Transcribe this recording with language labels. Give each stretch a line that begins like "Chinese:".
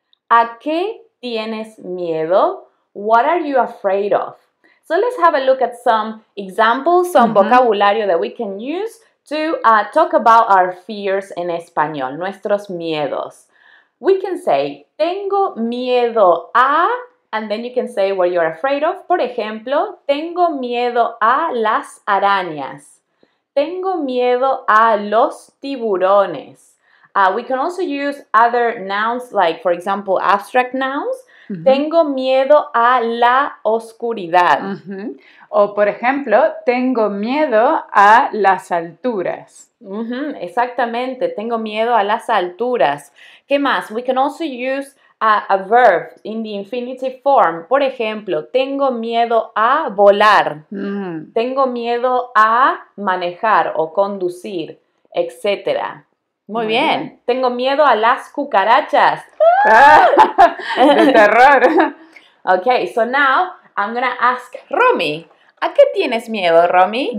Spanish: ¿A qué tienes miedo?
English: What are you afraid of? So let's have a look at some examples, some vocabulario that we can use to talk about our fears
Spanish: en español, nuestros miedos.
English: We can say,
Spanish: tengo miedo a,
English: and then you can say what you're afraid of.
Spanish: Por ejemplo, tengo miedo a las arañas. Tengo miedo a los tiburones.
English: We can also use other nouns, like, for example, abstract nouns.
Spanish: Tengo miedo a la oscuridad. O, por ejemplo, tengo miedo a las alturas. Exactamente, tengo miedo a las alturas. ¿Qué más?
English: We can also use a verb in the infinitive form.
Spanish: Por ejemplo, tengo miedo a volar. Tengo miedo a manejar o conducir, etc. Muy bien. Tengo miedo a las cucarachas. De terror.
English: Okay, so now I'm gonna ask Romy.
Spanish: ¿A qué tienes miedo, Romy?